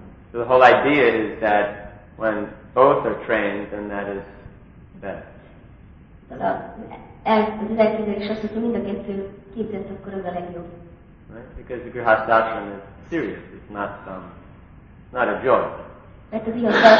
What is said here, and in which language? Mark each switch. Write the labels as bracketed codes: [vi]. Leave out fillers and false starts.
[en] So the whole idea is that when both are trained, then that is best. [hu] Az elképzelés az, hogy mind a kettő képzett, akkor az a legjobb. [en] Right? Because the grihastha ashram is serious, it's not some, not a joke.